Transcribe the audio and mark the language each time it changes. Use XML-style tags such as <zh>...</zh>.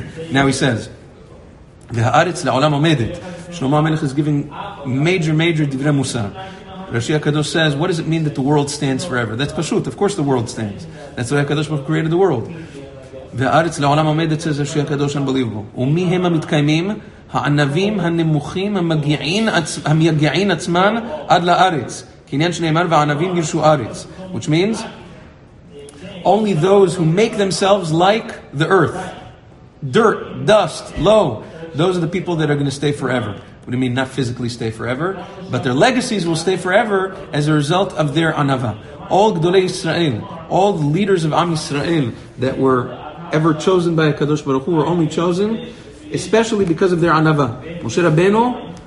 <en>Now he says,</en> <he>והארץ לעולם עומדת.</he> <en>Shlomo HaMelech is giving major divrei musar. Rashi HaKadosh says, what does it mean that the world stands forever? That's Pashut. Of course the world stands. That's why HaKadosh Baruch created the world.</en> <he>והארץ לעולם עומדת,</he> <en>says Rashi HaKadosh, unbelievable.</en> <he>ומי הם המתקיימים? הענבים הנמוכים המייגעין עצמן עד לארץ. כעניין שנאמר, והענבים ירשו ארץ.</he> <en>Which means, only those who make themselves like the earth. Dirt, dust, low. Those are the people that are going to stay forever. What do you mean, not physically stay forever? But their legacies will stay forever as a result of their anava. All Gdolei Yisrael, all the leaders of Am Yisrael that were ever chosen by HaKadosh Baruch Hu were only chosen, especially because of their anava. Moshe Rabbeinu</en>